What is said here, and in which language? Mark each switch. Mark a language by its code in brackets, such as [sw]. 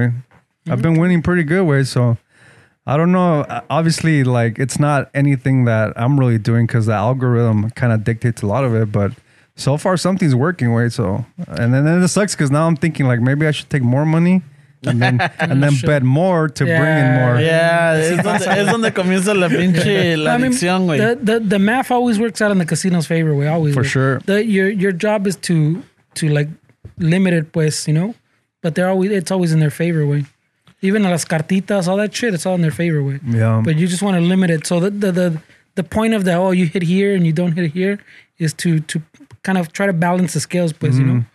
[en] Mm-hmm. I've been winning pretty good, way. So, I don't know. Obviously, like it's not anything that I'm really doing because the algorithm kind of dictates a lot of it, but. So far, something's working, way. So, and then it sucks because now I'm thinking like maybe I should take more money and then bet more to bring in more. [es] Yeah, es donde comienza la pinche la adicción, güey. [en] The math always works out in the casino's favor, way. Always for sure. Your job is to like limit it, pues, you know. But it's always in their favor, way. Even [es] las cartitas, [en] all that shit, it's all in their favor, way. Yeah. But you just want to limit it. So the point of that, oh, you hit here and you don't hit here, is to kind of try to balance the scales, pues, you know.